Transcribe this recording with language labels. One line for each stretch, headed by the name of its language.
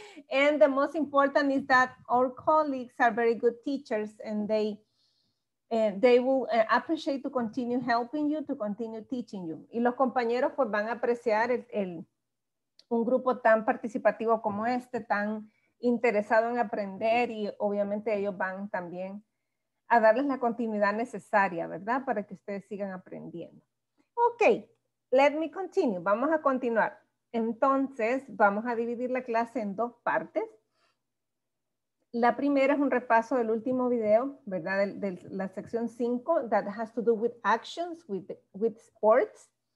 English: And the most important is that our colleagues are very good teachers and they will appreciate to continue helping you, to continue teaching you.
Spanish: Y los compañeros pues van a apreciar un grupo tan participativo como este, tan interesado en aprender, y obviamente ellos van también a darles la continuidad necesaria, ¿verdad? Para que ustedes sigan aprendiendo.
English: Ok, let me continue.
Spanish: Vamos a continuar. Entonces, vamos a dividir la clase en dos partes. La primera es un repaso del último video, ¿verdad? De la sección 5,
English: that has to do with actions, with sports.